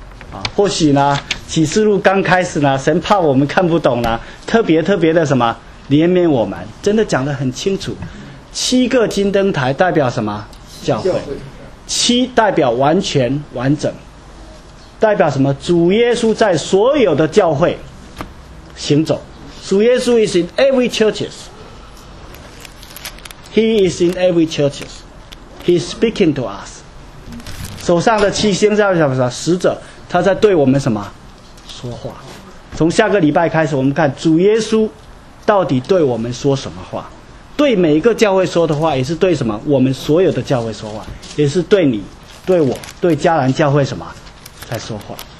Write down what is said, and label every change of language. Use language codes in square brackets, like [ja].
[zh] 啊，或许呢启示录刚开始呢神怕我们看不懂呢，特别特别的什么怜悯我们，真的讲得很清楚。七个金灯台代表什么？教会。七代表完全完整，代表什么？主耶稣在所有的教会行走。 [en] 主耶稣 is in every churches， He is in every churches， He is speaking to us。 [zh] 手上的七星代表什么？使者，他在对我们什么说话。从下个礼拜开始我们看主耶稣到底对我们说什么话，对每一个教会说的话，也是对什么我们所有的教会说话，也是对你、对我、对迦南教会什么在说话。